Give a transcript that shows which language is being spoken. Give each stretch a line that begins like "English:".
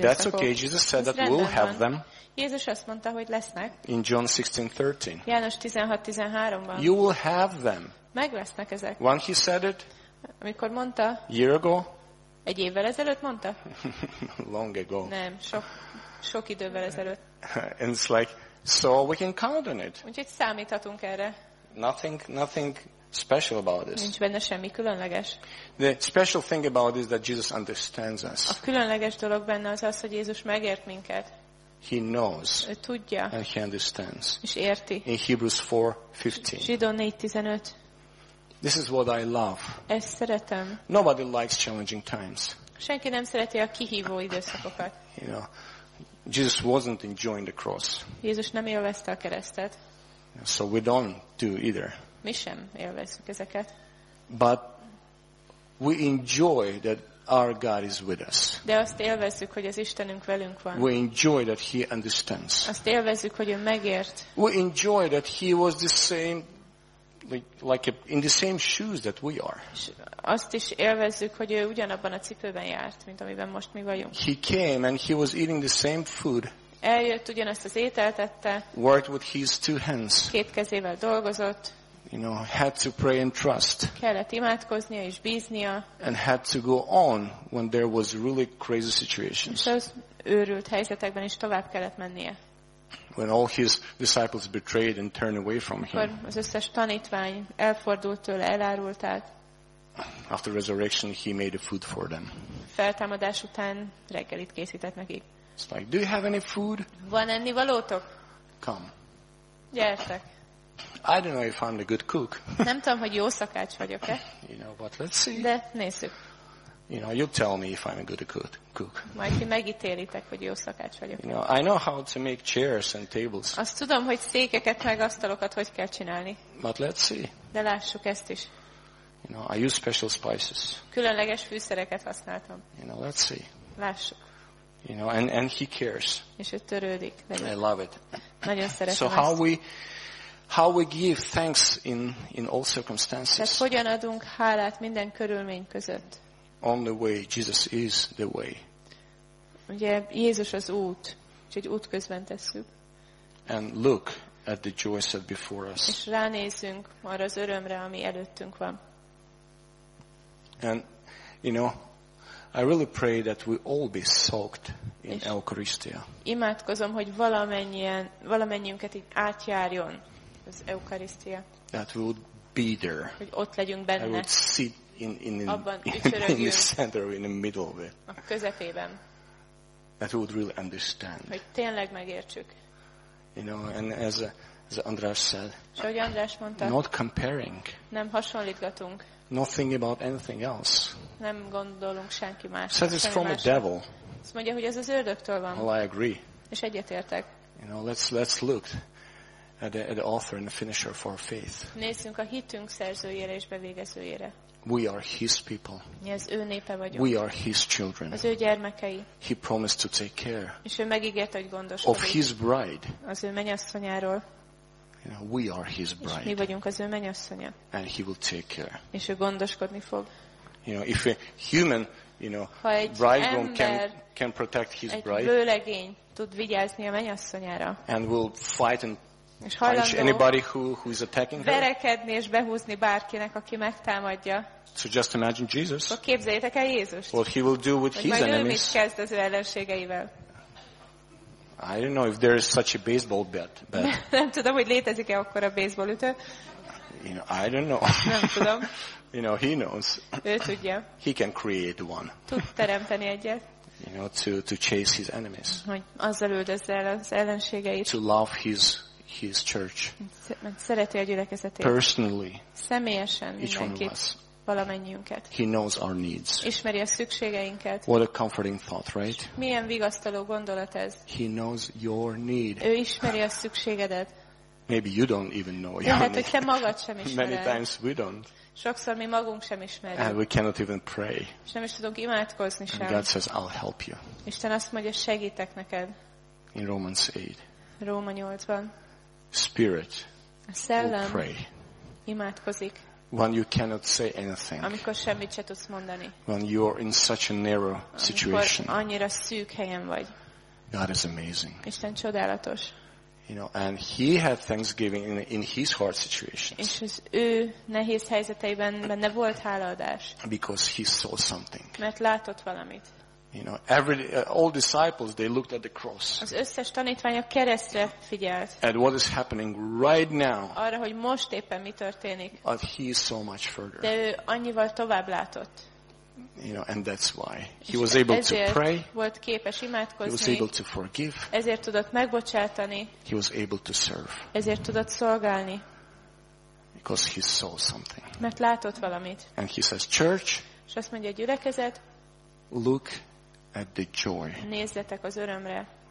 English: That's okay. Jesus said that we'll have them.
Hungarian: Jézus azt mondta, hogy lesznek.
English: In John 16:13.
Hungarian: János 16:13-ban.
English: You will have them.
Hungarian: Meglesznek ezek.
English: When he said it?
Hungarian: Amikor mondta?
English: Year ago.
Hungarian: Egy évvel ezelőtt mondta?
English: Long ago.
Hungarian: Nem, sok idővel ezelőtt.
English: And it's like, so we can count on it.
Hungarian: Úgyhogy számíthatunk erre.
English: Nothing special about this.
Hungarian: Nincs benne semmi különleges.
English: The special thing about this is that Jesus understands us.
Hungarian: A különleges dolog benne az, hogy Jézus megért minket.
English: He knows.
Hungarian: Ő tudja.
English: And he understands.
Hungarian: És érti.
English: In Hebrews 4:15.
Hungarian: Zsidó 4:15.
English: This is what I love.
Hungarian: Ezt szeretem.
English: Nobody likes challenging times.
Hungarian: Senki nem szereti a kihívó időszakokat.
English: You know, Jesus wasn't enjoying the cross.
Hungarian: Jézus nem élvezte a keresztet.
English: So we don't do either.
Hungarian: Mi sem élvezzük ezeket.
English: But we enjoy that our God is with us.
Hungarian: De azt élvezzük, hogy az Istenünk velünk van.
English: We enjoy that he understands.
Hungarian: Azt élvezzük, hogy ő megért.
English: We enjoy that he was the same like in the same shoes that we are.
Hungarian: Azt is élvezzük, hogy ő ugyanabban a cipőben járt, mint amiben most mi vagyunk.
English: He came and he was eating the same food.
Hungarian: Eljött, ugyanazt az ételt ette.
English: Worked with his two hands.
Hungarian: Két kezével dolgozott.
English: You know, had to pray and trust.
Hungarian: Kellett imádkoznia és bíznia.
English: And had to go on when there was really crazy situations.
Hungarian: És az őrült helyzetekben is tovább kellett mennie.
English: When all his disciples betrayed and turned away from him.
Hungarian: Amikor az összes tanítvány elfordult tőle, elárulták.
English: After resurrection, he made a food for them.
Hungarian: Feltámadás után reggelit készített nekik.
English: It's like, do you have any food?
Hungarian: Van ennivalótok?
English: Come.
Hungarian: Gyertek.
English: I don't know if I'm a good cook.
Hungarian: Nem tudom, hogy jó szakács vagyok-e.
English: You know, but let's see.
Hungarian: De nézzük.
English: You know, you tell me if I'm a good cook.
Hungarian: Majd ti megítélitek, hogy jó szakács vagyok.
English: You know, I know how to make chairs and tables.
Hungarian: Azt tudom, hogy székeket meg asztalokat hogy kell csinálni.
English: But let's see.
Hungarian: De lássuk ezt is.
English: You know, I use special spices.
Hungarian: Különleges fűszereket használtam.
English: You know, let's see.
Hungarian: Lássuk.
English: You know, and he cares.
Hungarian: És ő törődik.
English: I love it.
Hungarian: Nagyon szeretem.
English: So how we give thanks in all circumstances.
Hungarian: Tehát hogyan adunk hálát minden körülmény között?
English: On the way, Jesus is the way.
Hungarian: Ugye Jézus az út, úgyhogy út közben tesszük.
English: And look at the joy set before us.
Hungarian: És ránézünk arra az örömre, ami előttünk van.
English: And you know, I really pray that we all be soaked in Eucharistia.
Hungarian: Imádkozom, hogy valamennyiünket így átjárjon az Eucharistia.
English: That we would be there.
Hungarian: Hogy ott legyünk benne.
English: I would sit in the center, in the middle of it.
Hungarian: A közepében.
English: That we would really understand.
Hungarian: Hogy tényleg megértsük.
English: You know, and as András said.
Hungarian: És ahogy András mondta.
English: Not comparing.
Hungarian: Nem hasonlítgatunk.
English: Not thinking about anything else.
Hungarian: Nem gondolunk senki más.
English: Says it's from the devil.
Hungarian: Azt mondja, hogy ez az ördögtől van.
English: Well, I agree.
Hungarian: És egyetértek.
English: You know, let's look at the author and the finisher for our faith.
Hungarian: Nézzünk a hitünk szerzőjére és bevégezőjére.
English: We are his people.
Hungarian: Mi az ő népe vagyunk.
English: We are his children.
Hungarian: Az ő gyermekei.
English: He promised to take care.
Hungarian: És ő megígért, hogy gondoskodik.
English: Of his bride.
Hungarian: Az ő menyasszonyáról.
English: You know, we are his bride.
Hungarian: Mi vagyunk az ő menyasszonya.
English: And he will take care.
Hungarian: És ő gondoskodni fog.
English: You know, if a human, you know, bridegroom can protect his bride.
Hungarian: Egy vőlegény tud vigyázni a menyasszonyára.
English: And will fight and punch anybody who is attacking her.
Hungarian: Verekedni és behúzni bárkinek, aki megtámadja.
English: So just imagine Jesus.
Hungarian: Akkor képzeljétek el Jézust.
English: What he will do with his enemies.
Hungarian: Majd ő mit kezd az ő ellenségeivel.
English: I don't know if there is such a baseball bat.
Hungarian: Nem tudom, hogy létezik-e akkor a baseball ütő.
English: You know, I don't know.
Hungarian: Nem tudom.
English: You know, he knows.
Hungarian: Ő tudja.
English: He can create one.
Hungarian: Tud teremteni egyet.
English: You know, to chase his enemies.
Hungarian: Hogy azzal üldözze el az ellenségeit.
English: To love his church.
Hungarian: Szereti a gyülekezetét.
English: Personally.
Hungarian: Személyesen.
English: Each one of us.
Hungarian: Valamennyiünket.
English: He knows our needs.
Hungarian: Ismeri a szükségeinket.
English: What a comforting thought, right?
Hungarian: Milyen vigasztaló gondolat ez.
English: He knows your need.
Hungarian: Ő ismeri a szükségedet.
English: Maybe you don't even know.
Hungarian: Lehet, hogy te magad sem ismered.
English: Many times we don't.
Hungarian: Sokszor mi magunk sem ismerjük.
English: And we cannot even pray.
Hungarian: És nem is tudunk imádkozni sem.
English: God says, I'll help you.
Hungarian: Isten azt mondja, segítek neked.
English: In Romans 8.
Hungarian: Róma 8-ban.
English: Spirit.
Hungarian: A szellem.
English: Will pray.
Hungarian: Imádkozik.
English: When you cannot say anything.
Hungarian: Amikor semmit se tudsz mondani.
English: When you are in such a narrow situation.
Hungarian: Amikor annyira szűk helyen vagy.
English: God is amazing.
Hungarian: Isten csodálatos.
English: You know, and he had thanksgiving in his hard situations.
Hungarian: És az ő nehéz helyzeteiben benne volt hálaadás.
English: Because he saw something.
Hungarian: Mert látott valamit.
English: You know, all disciples, they looked at the cross.
Hungarian: Az összes tanítvány a keresztre figyelt.
English: At what is happening right now.
Hungarian: Arra, hogy most éppen mi történik.
English: But he is so much further.
Hungarian: De ő annyival tovább látott.
English: You know, and that's why he was able to pray.
Hungarian: Volt képes imádkozni.
English: He was able to forgive.
Hungarian: Ezért tudott megbocsátani.
English: He was able to serve.
Hungarian: Ezért tudott szolgálni.
English: Because he saw something.
Hungarian: Mert látott valamit.
English: And he says, church.
Hungarian: És azt mondja, gyülekezet.
English: Look at the joy.
Hungarian: Nézzetek az örömre.